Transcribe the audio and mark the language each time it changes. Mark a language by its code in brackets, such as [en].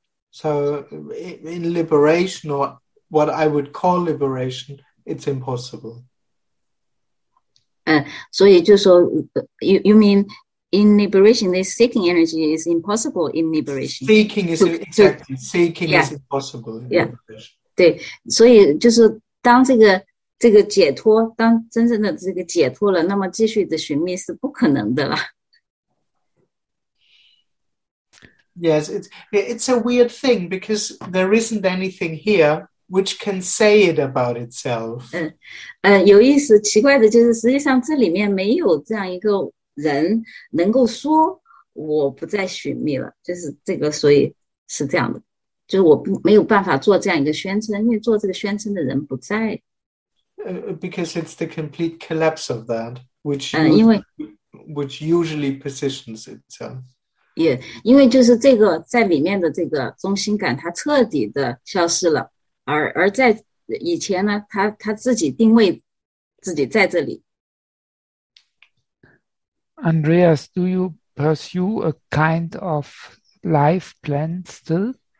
[en] So in liberation, or what I would call liberation, it's impossible. [zh] 所以就说 [en] you mean. In liberation, the seeking energy is impossible in liberation. Seeking is impossible in liberation. Yeah. [zh] 对，所以就是当这个解脱，当真正的这个解脱了，那么继续的寻觅是不可能的了。 [en] Yes, it's a weird thing because there isn't anything here which can say it about itself. [zh] 有意思，奇怪的就是实际上这里面没有这样一个人能够说我不再寻觅了，就是这个，所以是这样的，就是我没有办法做这样一个宣称，因为做这个宣称的人不在。 [en] Because it's the complete collapse of that, which which usually positions itself. [zh] Yeah, 因为就是这个在里面的这个中心感，它彻底的消失了，而在以前呢，他自己定位自己在这里。 [en] Andreas, do you pursue a kind of life plan still?